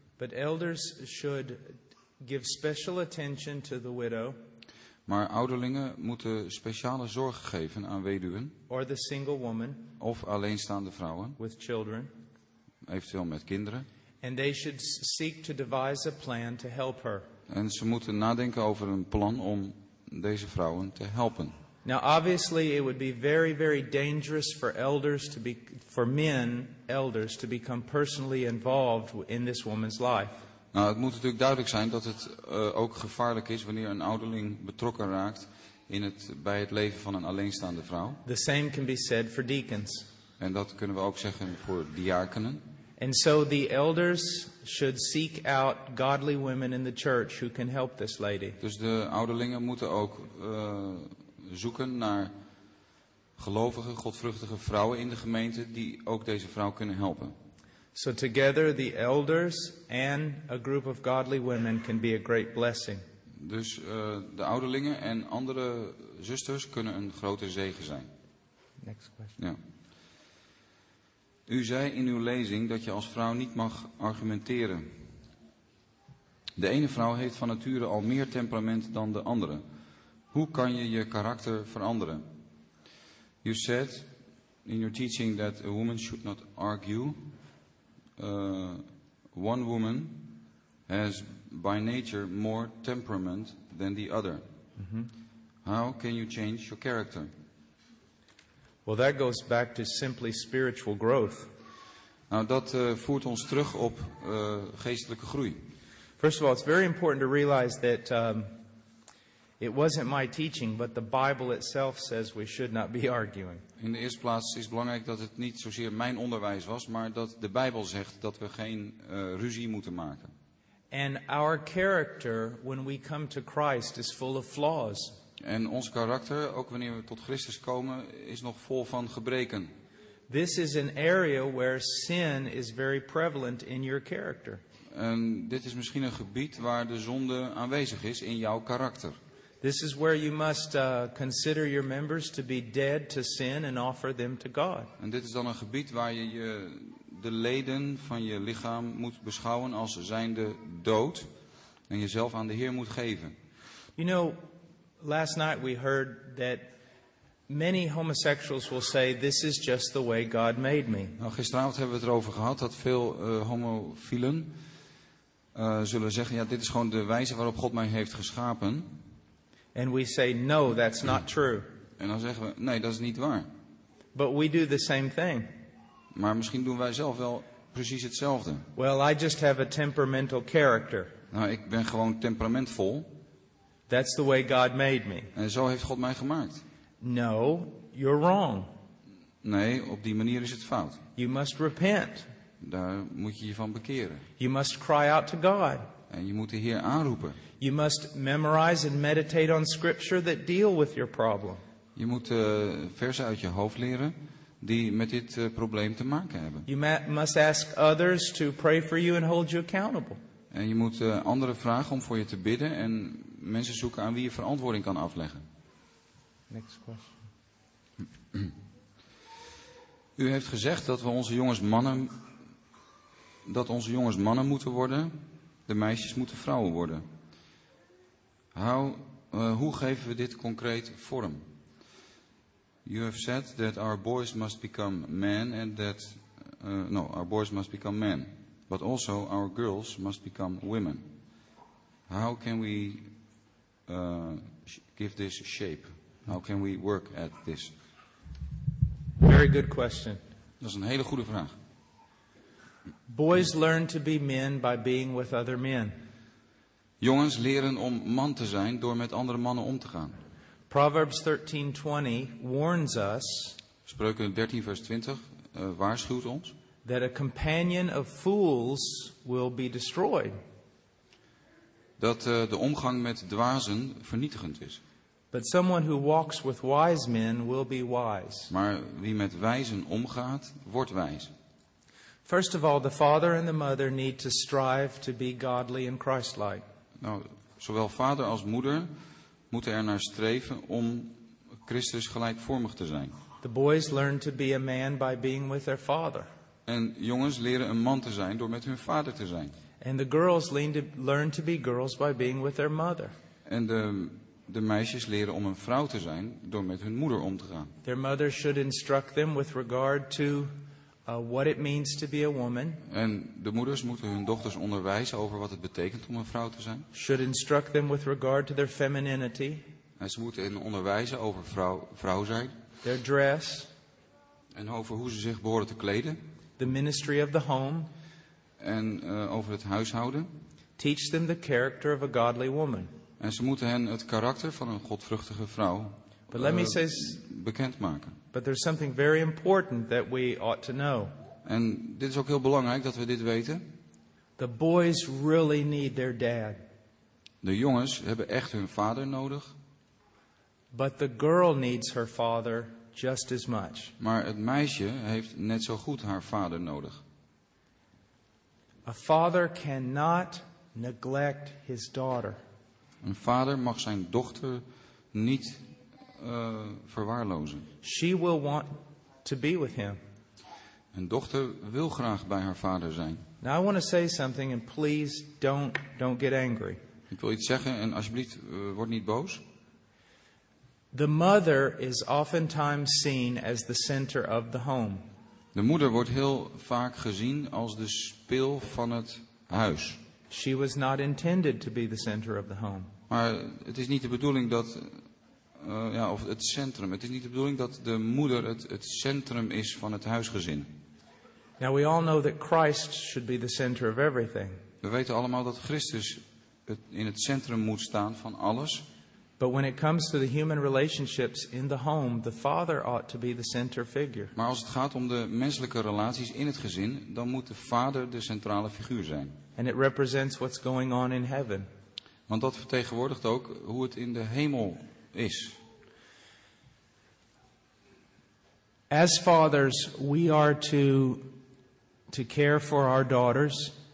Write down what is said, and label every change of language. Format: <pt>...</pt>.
<en>But elders should give special attention to the widow.</en> <nl>Maar ouderlingen moeten speciale zorg geven aan weduwen.</nl> <en>Or the single woman.</en> <nl>Of alleenstaande vrouwen.</nl> <en>With children.</en> <nl>Eventueel met kinderen.</nl> <en>And they should seek to devise a plan to help her.</en> <nl>En ze moeten nadenken over een plan om deze vrouwen te helpen.</nl> <en>Now obviously it would be very, very dangerous for elders to be, for men elders to become personally involved in this woman's life.</en> <nl>Nou, het moet natuurlijk duidelijk zijn dat het ook gevaarlijk is wanneer een ouderling betrokken raakt bij het leven van een alleenstaande vrouw.</nl> <en>The same can be said for deacons.</en> <nl>En dat kunnen we ook zeggen voor diakenen.</nl> <en>And so the elders should seek out godly women in the church who can help this lady.</en> <nl>Dus de ouderlingen moeten ook zoeken naar gelovige, godvruchtige vrouwen in de gemeente die ook deze vrouw kunnen helpen.</nl> <en>So together the elders and a group of godly women can be a great blessing.</en> <nl>Dus de ouderlingen en andere zusters kunnen een grote zegen zijn.</nl> <en>Next question.</en> <nl>Ja. U zei in uw lezing dat je als vrouw niet mag argumenteren. De ene vrouw heeft van nature al meer temperament dan de andere. Hoe kan je je karakter veranderen?</nl> <en>You said in your teaching that a woman should not argue. One woman has by nature more temperament than the other. Mm-hmm. How can you change your character? Well, that goes back to simply spiritual growth.</en> <nl>Nou, dat voert ons terug op geestelijke groei.</nl> <en>First of all, it's very important to realize that It wasn't my teaching, but the Bible itself says we should not be arguing.</en> <nl>In de eerste plaats is het belangrijk dat het niet zozeer mijn onderwijs was, maar dat de Bijbel zegt dat we geen ruzie moeten maken.</nl> <en>And our character when we come to Christ is full of flaws.</en> <nl>En ons karakter, ook wanneer we tot Christus komen, is nog vol van gebreken.</nl> <en>This is an area where sin is very prevalent in your character.</en> <nl>En dit is misschien een gebied waar de zonde aanwezig is in jouw karakter.</nl> <en>This is where you must consider your members to be dead to sin and offer them to God.</en> <nl>En dit is dan een gebied waar je je de leden van je lichaam moet beschouwen als zijnde dood en jezelf aan de Heer moet geven.</nl> <en>You know, last night we heard that many homosexuals will say this is just the way God made me.</en> <nl>Nou, gisteravond hebben we het erover gehad dat veel homofielen zullen zeggen ja, dit is gewoon de wijze waarop God mij heeft geschapen.</nl> <en>And we say no, that's not true.</en> <nl>En dan zeggen we nee, dat is niet waar.</nl> <en>But we do the same thing.</en> <nl>Maar misschien doen wij zelf wel precies hetzelfde.</nl> <en>Well, I just have a temperamental character.</en> <nl>Nou, ik ben gewoon temperamentvol.</nl> <en>That's the way God made me.</en> <nl>En zo heeft God mij gemaakt.</nl> <en>No, you're wrong.</en> <nl>Nee, op die manier is het fout.</nl> <en>You must repent.</en> <nl>Daar moet je je van bekeren.</nl> <en>You must cry out to God.</en> <nl>En je moet de Heer aanroepen.</nl> <en>You must memorize and meditate on scripture that deal with your problem.</en> <nl>Je moet versen uit je hoofd leren die met dit probleem te maken hebben.</nl> <en>You must ask others to pray for you and hold you accountable.</en> <nl>En je moet anderen vragen om voor je te bidden en mensen zoeken aan wie je verantwoording kan afleggen.</nl> <en>Next question.</en> <nl>U heeft gezegd dat we onze jongens mannen, dat onze jongens mannen moeten worden, de meisjes moeten vrouwen worden. Hoe geven we dit concreet vorm?</nl> <en>You have said that our boys must become men and that our boys must become men, but also our girls must become women. How can we give this shape? How can we work at this? Very good question.</en> <nl>Dat is een hele goede vraag.</nl> <en>Boys learn to be men by being with other men.</en> <nl>Jongens leren om man te zijn door met andere mannen om te gaan.</nl> <en>Proverbs 13:20 warns us.</en> <nl>Spreuken 13 vers 20 waarschuwt ons.</nl> <en>That a companion of fools will be destroyed.</en> <nl>Dat de omgang met dwazen vernietigend is.</nl> <en>But someone who walks with wise men will be wise.</en> <nl>Maar wie met wijzen omgaat, wordt wijs.</nl> <en>First of all, the father and the mother need to strive to be godly and Christ-like.</en> <nl>Nou, zowel vader als moeder moeten er naar streven om Christus gelijkvormig te zijn.</nl> <en>The boys learn to be a man by being with their father.</en> <nl>En jongens leren een man te zijn door met hun vader te zijn.</nl> <en>And the girls learn to be girls by being with their mother.</en> <nl>En de meisjes leren om een vrouw te zijn door met hun moeder om te gaan.</nl> <en>Their mother should instruct them with regard to what it means to be a woman.</en> <nl>En de moeders moeten hun dochters onderwijzen over wat het betekent om een vrouw te zijn.</nl> <en>Should instruct them with regard to their femininity.</en> <nl>En ze moeten hen onderwijzen over vrouw zijn.</nl> <en>Their dress.</en> <nl>En over hoe ze zich behoren te kleden.</nl> <en>The ministry of the home.</en> <nl>En over het huishouden.</nl> <en>Teach them the character of a godly woman.</en> <nl>En ze moeten hen het karakter van een godvruchtige vrouw bekendmaken.</nl> <en>But there's something very important that we ought to know.</en> <nl>En dit is ook heel belangrijk dat we dit weten.</nl> <en>The boys really need their dad.</en> <nl>De jongens hebben echt hun vader nodig.</nl> <en>But the girl needs her father just as much.</en> <nl>Maar het meisje heeft net zo goed haar vader nodig.</nl> <en>A father cannot neglect his daughter.</en> <nl>Een vader mag zijn dochter niet verwaarlozen.</nl> <en>She will want to be with him.</en> <nl>Een dochter wil graag bij haar vader zijn.</nl> <en>Now I want to say something and please don't get angry.</en> <nl>Ik wil iets zeggen en alsjeblieft word niet boos.</nl> <en>The mother is oftentimes seen as the center of the home.</en> <nl>De moeder wordt heel vaak gezien als de spil van het huis.</nl> <en>She was not intended to be the center of the home.</en> <nl>Maar het is niet de bedoeling dat of het centrum. Het is niet de bedoeling dat de moeder het centrum is van het huisgezin.</nl> <en>Now we all know that Christ should be the center of everything.</en> <nl>We weten allemaal dat Christus in het centrum moet staan van alles.</nl> <en>But when it comes to the human relationships in the home, the father ought to be the center figure.</en> <nl>Maar als het gaat om de menselijke relaties in het gezin, dan moet de vader de centrale figuur zijn.</nl> <en>And it represents what's going on in heaven.</en> <nl>Want dat vertegenwoordigt ook hoe het in de hemel is.</nl> <en>As fathers, we are to care for our daughters.</en>